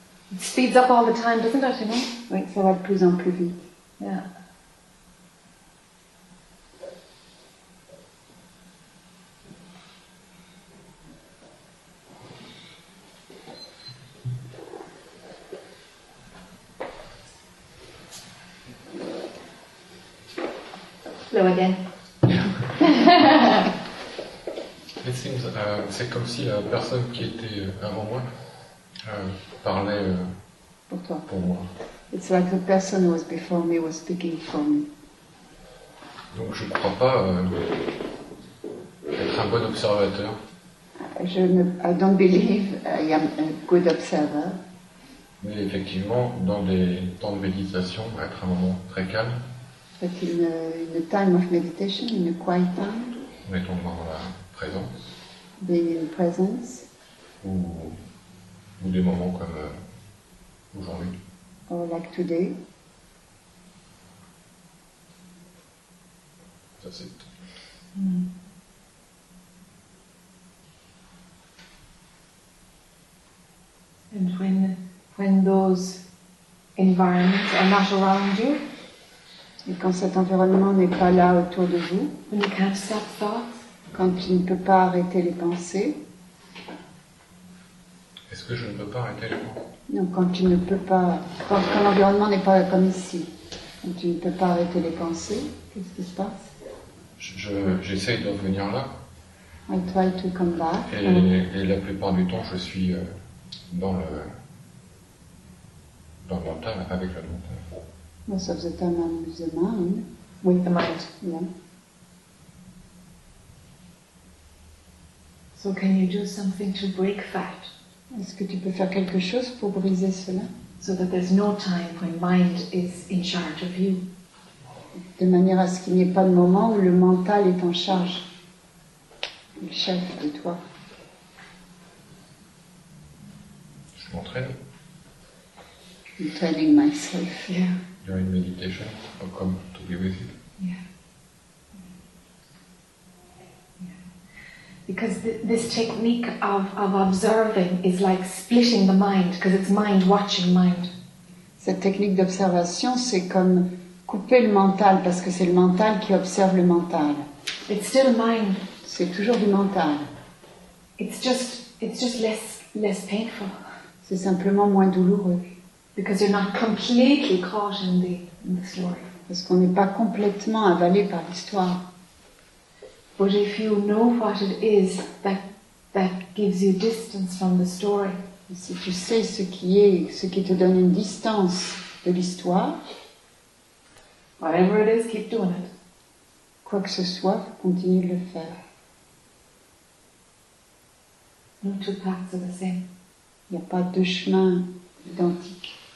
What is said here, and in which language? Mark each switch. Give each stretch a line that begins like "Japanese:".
English: It speeds up all the time, doesn't it, you know?
French: Oui, ça va de plus en plus vite.
English: Yeah. Again. It seems,
French: c'est comme si la personne qui était avant moi parlait pour toi. Pour moi.
English: It's like the person who was before me was speaking for me.
French: Donc je ne crois pas être un bon observateur.
English: I don't believe I am a good observer.
French: Mais effectivement, dans des temps de méditation, être un moment très calme.
English: But in a time of meditation, in a quiet time,
French: mettons dans la présence,
English: being in presence,
French: ou des moments comme aujourd'hui,
English: or like today, that's it. And when those environments are not around you,
French: et quand cet environnement n'est pas là autour de vous,
English: when you can't stop thoughts,
French: quand tu ne peux pas arrêter les pensées, est-ce que je ne peux pas arrêter les pensées? Non, quand tu ne peux pas, quand l'environnement n'est pas comme ici, quand tu ne peux pas arrêter les pensées, qu'est-ce qui se passe? J'essaye de revenir là.
English: I try to come back.
French: Et la plupart du temps, je suis dans le mental, avec le mental.
English: Most of the time I'm with the mind. With the mind. Yeah. So can you do something to break that?
French: Est-ce que tu peux faire quelque chose pour briser cela?
English: So that there's no time when mind is in charge of you.
French: De manière à ce qu'il n'y ait pas de moment où le mental est en charge. Le chef de toi. Je m'entraîne.
English: I'm training myself. Yeah. You're in meditation, or come to be with it. Yeah. Because this technique of observing is like splitting the mind, because it's mind watching mind.
French: Cette technique d'observation, c'est comme couper le mental, parce que c'est le mental qui observe le mental.
English: It's still mind.
French: C'est toujours du mental.
English: It's just less painful.
French: C'est simplement moins douloureux.
English: Because you're not completely caught in the story.
French: Parce qu'on n'est pas complètement avalé par l'histoire.
English: But if you know what it is that gives you distance from the story,
French: si tu sais ce qui te donne une distance de l'histoire,
English: whatever it is, keep doing it.
French: Quoi que ce soit, continue de le faire.
English: No two paths are the same.
French: Il n'y a pas deux chemins identiques.